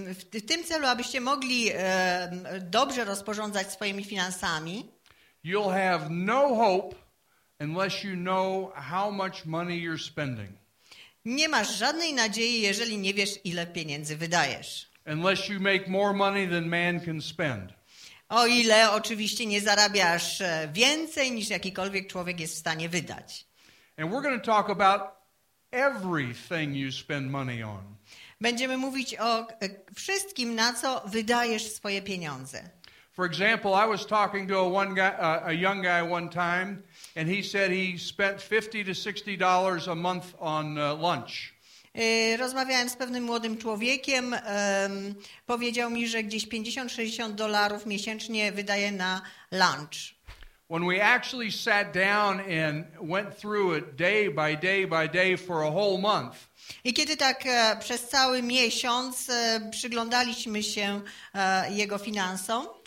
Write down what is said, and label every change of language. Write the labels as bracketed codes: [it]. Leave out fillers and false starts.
[pl] w tym celu, abyście mogli dobrze rozporządzać swoimi finansami, [en] you'll have no hope unless you know how much money you're spending. [pl] Nie masz żadnej nadziei, jeżeli nie wiesz, ile pieniędzy wydajesz. [en] Unless you make more money than man can spend. [pl] O ile oczywiście nie zarabiasz więcej niż jakikolwiek człowiek jest w stanie wydać. [en] And we're going to talk about everything you spend money on. [pl] Będziemy mówić o wszystkim, na co wydajesz swoje pieniądze. [en] For example, I was talking to a young guy one time, and he said he spent $50 to $60 a month on lunch. [pl] Rozmawiałem z pewnym młodym człowiekiem. Powiedział mi, że gdzieś $50-$60 miesięcznie wydaje na lunch. [en] When we actually sat down and went through it day by day by day for a whole month. [pl] I kiedy tak przez cały miesiąc przyglądaliśmy się jego finansom,